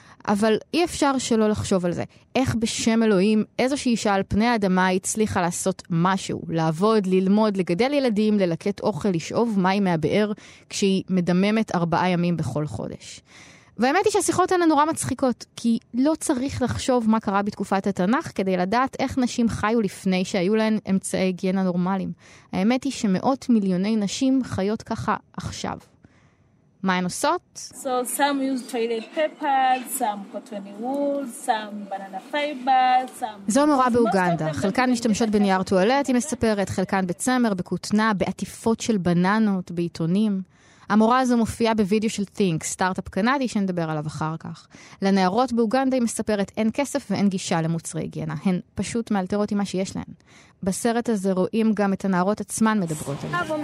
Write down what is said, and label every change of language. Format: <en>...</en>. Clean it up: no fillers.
<he>אבל אי אפשר שלא לחשוב על זה. איך בשם אלוהים, איזושהי אישה על פני האדמה הצליחה לעשות משהו, לעבוד, ללמוד, לגדל ילדים, ללקט אוכל, לשאוב מים מהבאר, כשהיא מדממת 4 ימים בכל חודש. והאמת היא שהשיחות האלה נורא מצחיקות, כי לא צריך לחשוב מה קרה בתקופת התנך כדי לדעת איך נשים חיו לפני שהיו להן אמצעי היגיינה נורמליים. האמת היא שמאות מיליוני נשים חיות ככה עכשיו. מה הן עושות?</he> <en>So some use toilet paper, some cotton wool, some banana fiber, some...</en> <he>זו המורה באוגנדה. חלקן משתמשות בנייר טואלט, היא מספרת, חלקן בצמר, בכותנה, בעטיפות של בננות, בעיתונים... המורה הזו מופיעה בווידאו של Think, סטארט-אפ קנדי שנדבר עליו אחר כך. לנערות באוגנדה היא מספרת אין כסף ואין גישה למוצרי היגיינה. הן פשוט מאלתרות עם מה שיש להן. בסרט הזה רואים גם את הנערות עצמן מדברות עליו.</he>